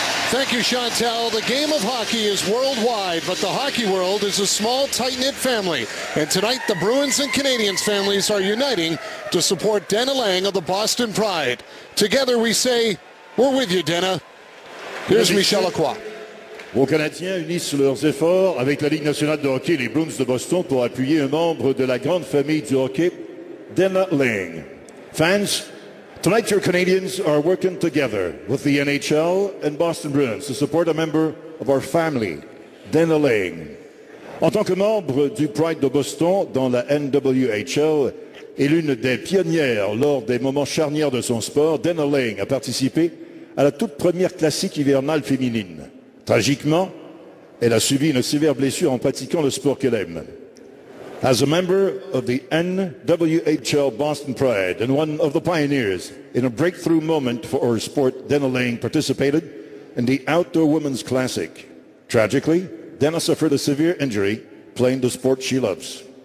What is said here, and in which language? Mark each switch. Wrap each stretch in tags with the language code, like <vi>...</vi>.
<en>Thank you, Chantel. The game of hockey is worldwide, but the hockey world is a small, tight-knit family. And tonight, the Bruins and Canadiens families are uniting to support Denna Laing of the Boston Pride. Together, we say, we're with you, Denna. Here's Michel Lacroix.</en> <fr>Vos Canadiens unissent sous leurs efforts avec la Ligue nationale de hockey, les Bruins de Boston, pour appuyer un membre de la grande famille du hockey, Denna Laing.</fr> <en>Fans, tonight your Canadians are working together with the NHL and Boston Bruins to support a member of our family, Denna Laing.</en> <fr>En tant que membre du Pride de Boston dans la NWHL et l'une des pionnières lors des moments charnières de son sport, Denna Laing a participé à la toute première classique hivernale féminine. Tragiquement, elle a subi une sévère blessure en pratiquant le sport qu'elle aime.</fr> <en>As a member of the NWHL Boston Pride and one of the pioneers in a breakthrough moment for our sport, Denna Laing participated in the Outdoor Women's Classic. Tragically, Denna suffered a severe injury playing the sport she loves.</en>